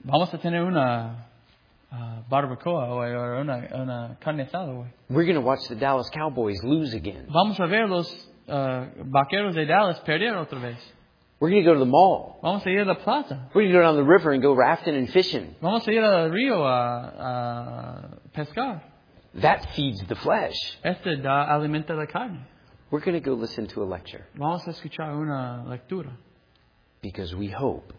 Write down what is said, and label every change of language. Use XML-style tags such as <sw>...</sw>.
<es>Vamos a tener una barbacoa</es> <en>or</en> <es>una carne asada hoy.</es> <en>We're going to watch the Dallas Cowboys lose again.</en> <es>Vamos a ver los vaqueros de Dallas perder otra vez.</es> <en>We're going to go to the mall.</en> <es>Vamos a ir a la plaza.</es> <en>We're going to go down the river and go rafting and fishing.</en> <es>Vamos a ir al río a pescar.</es> <en>That feeds the flesh.</en> <es>Este da alimenta la carne.</es> <en>We're going to go listen to a lecture.</en> <es>Vamos a escuchar una lectura.</es> <en>Because we hope.</en>